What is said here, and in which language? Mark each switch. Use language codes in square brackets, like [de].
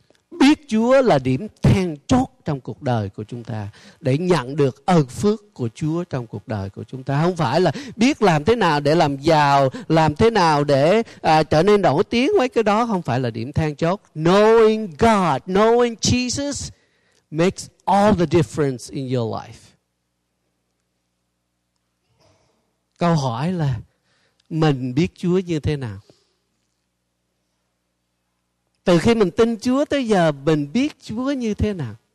[vi] Biết Chúa là điểm then chốt trong cuộc đời của chúng ta để nhận được ơn phước của Chúa trong cuộc đời của chúng ta. Không phải là biết làm thế nào để làm giàu, làm thế nào để trở nên nổi tiếng, mấy cái đó không phải là điểm then chốt. [en] Knowing God, knowing Jesus makes all the difference in your life. [vi] Câu hỏi là mình biết Chúa như thế nào? Từ khi mình tin Chúa tới giờ mình biết Chúa như thế nào?